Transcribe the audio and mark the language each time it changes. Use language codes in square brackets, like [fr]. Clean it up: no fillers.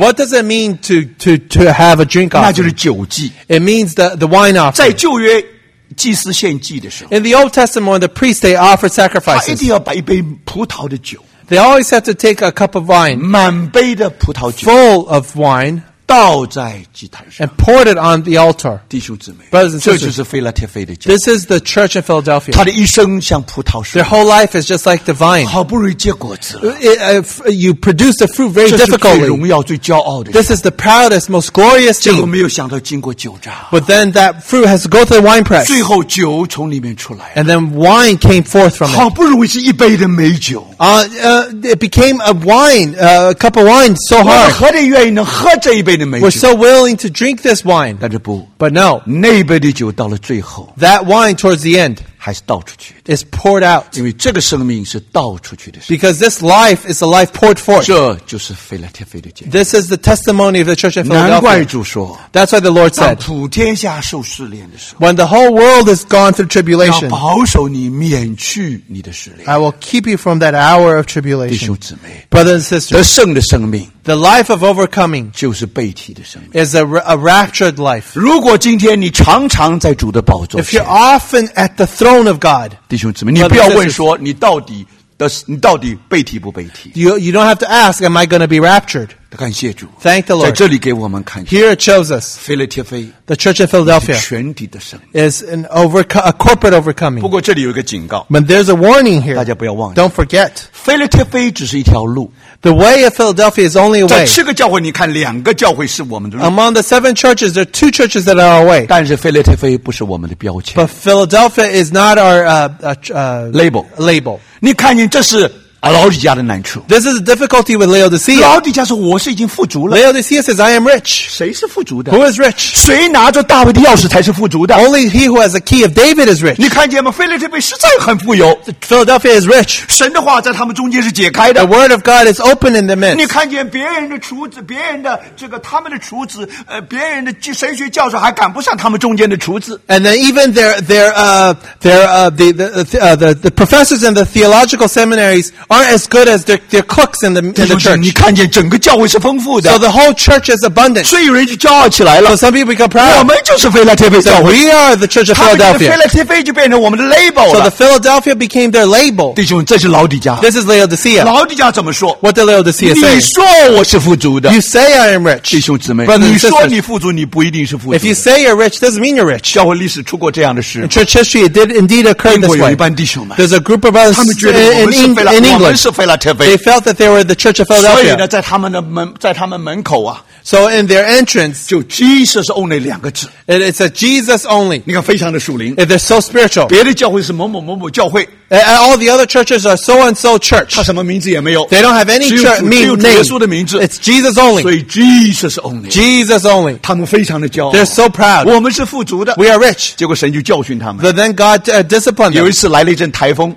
[en] What does it mean to have a drink offering? [zh] 那就是酒祭, [en] it means the wine offering. [zh] 在旧约祭司献祭的时候, [en] in the Old Testament, the priest, they offer sacrifices. [zh] 他一定要把一杯葡萄的酒, [en] they always have to take a cup of wine, [zh] 满杯的葡萄酒, [en] full of wine, [zh] 倒在祭坛上 [en] and poured it on the altar. [zh] 弟兄姊妹 [en] Brothers and sisters, [zh] 这就是腓立帖腓的家 [en] This is the church in Philadelphia. [zh] 他的一生像葡萄树 [en] Their whole life is just like the vine. [zh] 好不容易结果子了 [en] You produce the fruit very difficultly. [zh] 这是最荣耀最骄傲的 [en] This is the proudest, most glorious thing. [zh] 结果没有想到经过酒榨 [en] But then that fruit has to go to the wine press. [zh] 最后酒从里面出来 [en] And then wine came forth from it. [zh] 好不容易是一杯的美酒 [en] It became a wine, a cup of wine so hard. [zh] 我何等愿意能喝这一杯的美酒 [en] We're so willing to drink this wine. [zh] 但是不 [en] But no. [zh] 那一杯的酒到了最后 [en] That wine towards the end. [zh] 还是倒出去 [en] Is poured out. [zh] 因为这个生命是倒出去的 [en] Because this life is a life poured forth. [zh] 这就是腓立帖腓的见证 [en] This is the testimony of the church in Philadelphia. [zh] 难怪主说 [en] That's why the Lord said. [zh] 当普天下受试炼的时候 [en] When the whole world has gone through tribulation. [zh] 要保守你免去你的试炼 [en] I will keep you from that hour of tribulation. [zh] 弟兄姊妹 [en] Brothers and sisters. [zh] 得胜的生命 [en] The life of overcoming [zh] 就是被提的生命 [en] is a raptured life. [zh] 如果今天你常常在主的宝座前 [en] If you're often at the throne of God [zh] 弟兄姊妹你不要问说你到底的你到底被提不被提 [en] You don't have to ask am I going to be raptured? [zh] 感谢主 [en] Thank the Lord [zh] 在这里给我们看 [en] Here it shows us [zh] 腓立帖腓 [en] The church in Philadelphia [zh] 全体的生命 [en] is a corporate overcoming. [zh] 不过这里有一个警告 [en] But there's a warning here [zh] 大家不要忘记 [en] Don't forget [zh] 腓立帖腓只是一条路 [en] The way of Philadelphia is only a way. [zh] 在七个教会，你看两个教会是我们的路。 [en] Among the seven churches, there are two churches that are our way. [zh] 但是腓立帖腓不是我们的标签。 [en] But Philadelphia is not our label. Label. [zh] 你看见这是老底家的难处。 [en] This is a difficulty with Laodicea. [zh] 老底家说我是已经富足了。 [en] Laodicea says I am rich. [zh] 谁是富足的 [en] ？Who is rich? [zh] 谁拿着大卫的钥匙才是富足的 [en] ？Only he who has the key of David is rich. [zh] 你看见吗？腓立帖腓实在很富有。 [en] Philadelphia is rich. [zh] 神的话在他们中间是解开的。 [en] The word of God is open in the midst. [zh] 你看见别人的厨子，别人的这个他们的厨子，别人的神学教授还赶不上他们中间的厨子。 [en] And then even their professors in the theological seminariesaren't as good as their cooks in the church. [zh] 你看见整个教会是丰富的。 [en] So the whole church is abundant. [zh] 所以人就骄傲起来了。 [en] So some people become proud. [zh] 我们就是腓立帖腓教会。 [en] So we are the church of Philadelphia. [zh] 他们的腓立帖腓就变成我们的 label 了。 [en] So the Philadelphia became their label. [zh] 弟兄，这是老底家。 [en] This is Laodicea. [zh] 老底家怎么说 [en] ？What did Laodicea say? [zh] 你说我是富足的。 [en] You say I am rich. [zh] 弟兄姊妹， [en] Brothers and sisters, [zh] 你说你富足，你不一定是富足的。 [en] If you say you're rich, doesn't mean you're rich. [zh] 教会历史出过这样的事。 [en] In church history, it did indeed occur this way. [zh] 英国有一班弟兄们。 [en] There's a group of us. [zh] 他们觉得我们是腓立。 [en] They felt that they were the church of Philadelphia. [zh] 所以呢，在他们的门，在他们门口啊。 [en] So in their entrance, [zh] 就 [en] Jesus only [zh] 两个字。 [en] And it's a Jesus only. [zh] 你看，非常的属灵。 [en] And they're so spiritual. [zh] 别的教会是某某某某教会。 [en] And all the other churches are so and so church. [zh] 他什么名字也没有。 [en] They don't have any church name. [zh] 只有主耶稣的名字。 [en] It's Jesus only. [zh] 所以 [en] Jesus only. Jesus only. [zh] 他们非常的骄傲。 [en] They're so proud. [zh] 我们是富足的。 [en] We are rich. [zh] 结果神就教训他们。 [en] But then God disciplined them. [zh] 有一次来了一阵台风。